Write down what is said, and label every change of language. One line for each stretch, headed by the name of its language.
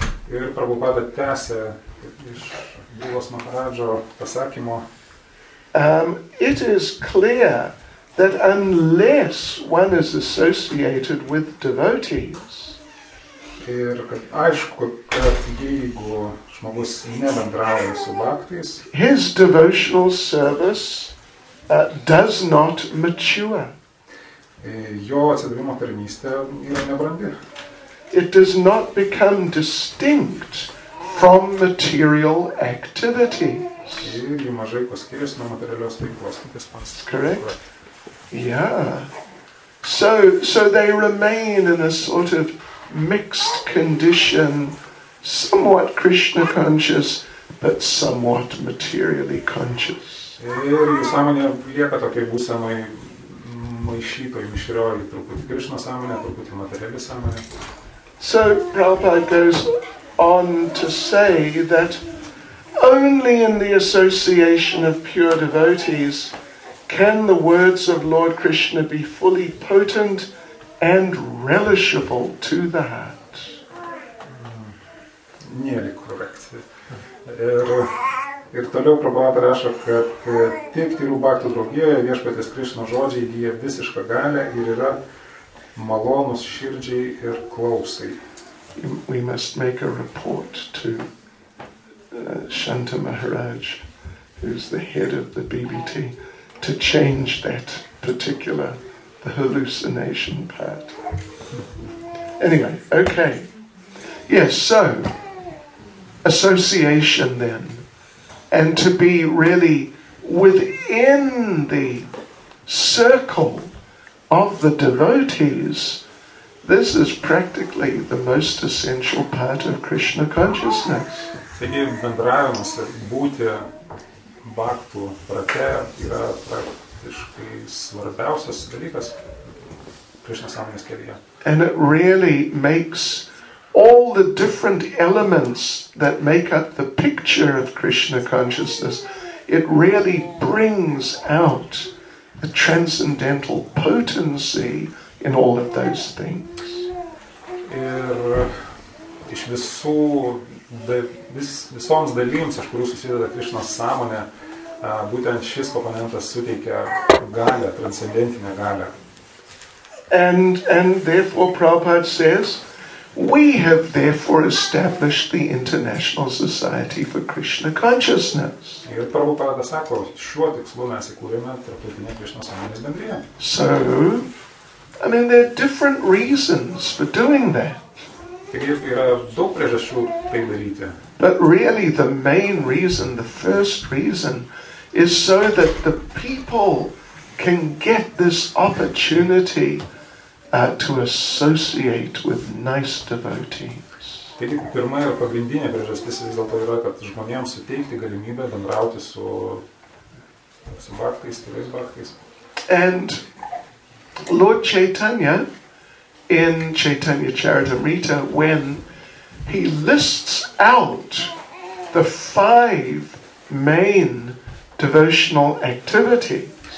Lithuanian: ir Prabhupada tęsė iš Dhruvos Maharadžo pasakymo,
English: it is clear that unless one is associated with devotees,
Lithuanian: ir kad aišku, kad jeigu žmogus nebendrauja su bhaktais,
English: his devotional service does not mature.
Lithuanian: Jo atsidavimo tarnystė yra nebrandi.
English: It does not become distinct from material activities.
Lithuanian: Ir jį mažai paskirius nuo materialios veiklos, kaip jis pats.
English: Correct? Yeah. So they remain in a sort of mixed condition, somewhat Krishna conscious, but somewhat materially conscious.
Lithuanian: Ir jų sąmonė lieka tokiai būsenai maišytoj, mišrioj, truputį Krishna sąmonė, truputį materialį sąmonė.
English: So Prabhupada goes on to say that only in the association of pure devotees can the words of Lord Krishna be fully potent and relishable to the heart.
Lithuanian: Nėra korekcija. Ir toliau Prabhupada rašo, kad tik tyrų bhaktų draugijoje viešpaties Krishna žodžiai įgyja visišką galią ir yra malonus širdžiai ir klausai.
English: We must make a report to Shanta Maharaj, who's the head of the BBT, to change that particular, the hallucination part. Anyway, okay. Yes, so, association then, and to be really within the circle of the devotees, this is practically the most essential part of Krishna consciousness.
Lithuanian: Taigi, bendravimas ir būti bhaktų rate yra praktiškai svarbiausias dalykas Krishna sąmonės kelyje.
English: And it really makes all the different elements that make up the picture of Krishna consciousness, it really brings out the transcendental potency in all of those things.
Lithuanian: Ir iš visų, visoms dalyms, iš kurių susideda Krishnos sąmonė, būtent šis komponentas suteikia galią, transcendentinę galią.
English: And therefore Prabhupada says, we have therefore established the International Society for Krishna Consciousness.
Lithuanian: Ir Prabhupada sako, šiuo tikslu mes įkūrėme tarptautinę Krishnos sąmonės bendriją.
English: So, I mean, there are different reasons for doing that.
Lithuanian: Taigi, yra daug priežasčių tai daryti.
English: But really the main reason, the first reason, is so that the people can get this opportunity to associate with nice devotees.
Lithuanian: Taigi, pirma ir pagrindinė priežastis vis dėlto yra, kad žmonėms suteikti galimybę bendrauti su bhaktais, tyrais bhaktais.
English: And Lord Chaitanya, in Chaitanya Charitamrita, when he lists out the five main devotional activities.